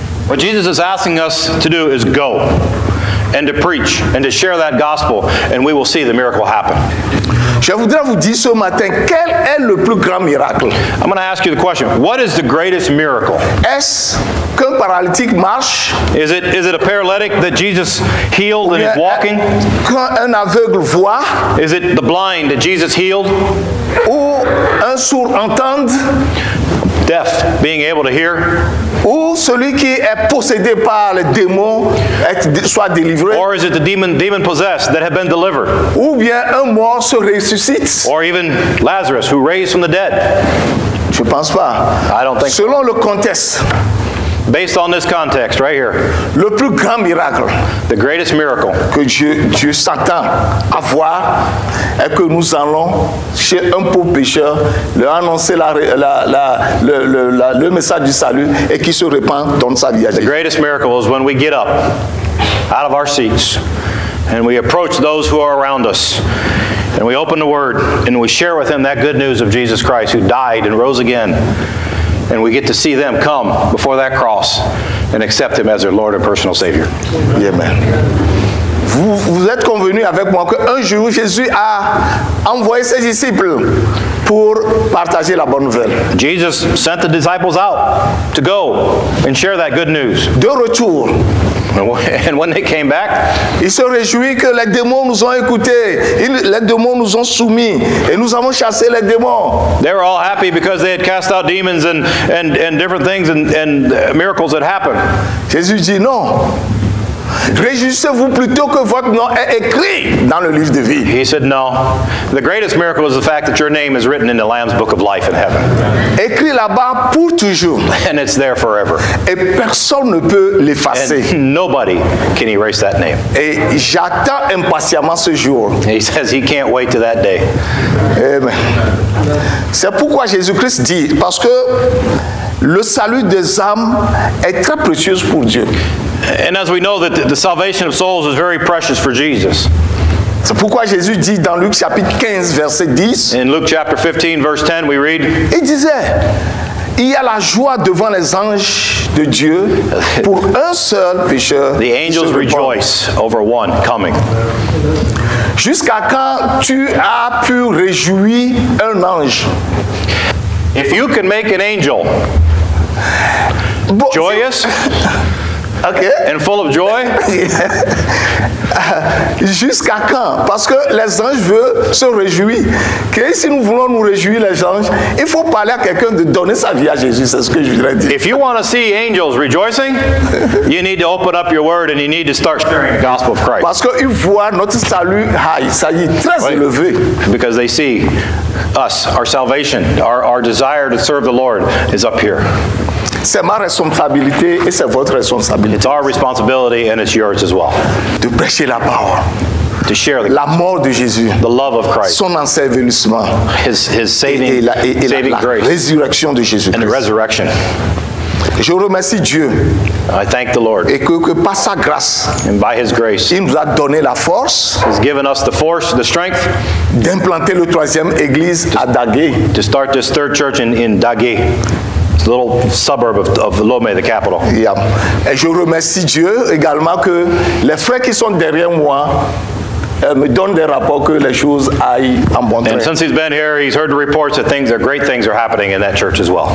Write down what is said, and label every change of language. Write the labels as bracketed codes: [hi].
[en] What Jesus is asking us to do is go and to preach and to share that gospel and we will see the miracle happen. [fr] Je voudrais vous dire ce matin, quel est le plus grand miracle? [en] I'm going to ask you the question, what is the greatest miracle? [fr] Est-ce qu'un paralytique marche? [en] Is it a paralytic that Jesus healed and is walking? [fr] Quand un aveugle voit? [en] Is it the blind that Jesus healed? [fr] Ou un sourd entend? [en] Deaf, being able to hear. [fr] Ou celui qui est possédé par les démons soit délivré. [en] Or is it the demon possessed that have been delivered? [fr] Ou bien un mort se ressuscite. [en] Or even Lazarus who raised from the dead. [fr] Je pense pas. [en] I don't think. [fr] Selon le contexte. [en] Based on this context, right here. [fr] Le plus grand miracle. [en] The greatest miracle. [fr] Que Dieu s'attend à voir est que nous allons chez un pauvre pécheur lui annoncer le message du salut et qu'il se répand dans sa vie. [en] The greatest miracle is when we get up out of our seats and we approach those who are around us. And we open the word and we share with them that good news of Jesus Christ who died and rose again. And we get to see them come before that cross and accept him as their Lord and personal Savior. Yeah, man. [fr] Vous êtes convenu avec moi qu'un jour Jésus a envoyé ses disciples pour partager la bonne nouvelle. [en] Jesus sent the disciples out to go and share that good news. [fr] De retour. [en] And when they came back, [fr] il se réjouit que les démons nous ont écoutés. Les démons nous ont soumis et nous avons chassé les démons. [en] They were all happy because they had cast out demons and different things and miracles that happened. [fr] Jésus dit non. Réjouissez-vous plutôt que votre nom est écrit dans le livre de vie. [en] He said no. The greatest miracle is the fact that your name is written in the Lamb's book of life in heaven. [fr] Écrit là-bas pour toujours. [en] And it's there forever. [fr] Et personne ne peut l'effacer. [en] Nobody can erase that name. [fr] Et j'attends impatiemment ce jour. [en] He says he can't wait to that day. Amen. [fr] C'est pourquoi Jésus-Christ dit parce que le salut des âmes est très précieux pour Dieu. [en] And as we know that the salvation of souls is very precious for Jesus. [fr] C'est pourquoi Jésus dit dans Luc chapitre 15 verset 10. [en] In Luke chapter 15 verse 10 we read. [fr] Il disait, il y a la joie devant les anges de Dieu pour un seul pécheur. [en] The angels rejoice over one coming. [fr] Jusqu'à quand tu as pu réjouir un ange? [en] If you can make an angel joyous. Okay. And full of joy. [fr] Jusqu'à quand? Parce que les anges veulent se réjouir. Que si nous voulons nous réjouir les anges, il faut parler à quelqu'un de donner sa vie à Jésus. C'est ce que je voudrais dire. [en] If you want to see angels rejoicing, you need to open up your word and you need to start sharing the gospel of Christ. [fr] Parce qu'ils voient notre salut, ça y est très right. Élevé. [en] Because they see us, our salvation, our desire to serve the Lord is up here. [fr] C'est ma responsabilité et c'est votre responsabilité. [en] It's our responsibility and it's yours as well. [fr] De prêcher la parole. [en] To share [fr] la mort de Jésus. [en] The love of Christ. [fr] Son ensevelissement. [en] His saving, saving [fr] la [en] grace. [fr] Résurrection de Jésus. [en] And the resurrection. [fr] Je remercie Dieu. [en] I thank the Lord. [fr] Et que par sa grâce. [en] And by his grace. [fr] Il nous a donné la force. [en] He's given us the force, the strength. [fr] D'implanter le troisième église à Dagué. [en] To start this third church in Dagué. It's a little suburb of Lomé, the capital. Yeah. [fr] Et je remercie Dieu également que les frères qui sont derrière moi me donnent des rapports que les choses aillent en bon train. [en] And since he's been here, he's heard the reports that things are great things are happening in that church as well.